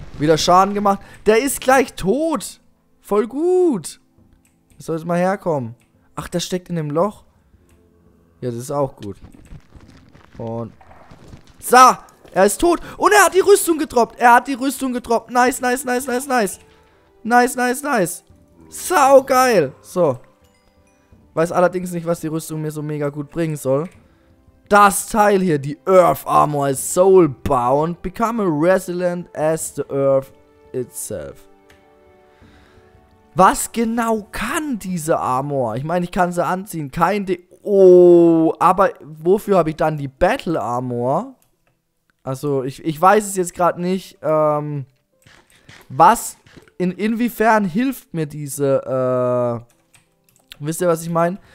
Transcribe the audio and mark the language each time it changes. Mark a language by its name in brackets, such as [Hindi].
[German] Wieder Schaden gemacht. Der ist gleich tot. Voll gut. Ich soll jetzt mal herkommen. Ach, der steckt in dem Loch. Ja, das ist auch gut. Und. So. Er ist tot. Und er hat die Rüstung getroppt. Er hat die Rüstung getroppt. Nice, nice, nice, nice, nice. Nice, nice, nice. Sau geil. So. Weiß allerdings nicht, was die Rüstung mir so mega gut bringen soll. Das Teil hier, die [English] Earth Armor is soulbound. Become a resilient as the Earth itself. [German] Was genau kann diese Armor? Ich meine, ich kann sie anziehen. Kein De- Oh, aber wofür habe ich dann die Battle Armor? Also, ich weiß es jetzt gerade nicht. Was... Inwiefern hilft mir diese, wisst ihr, was ich meine?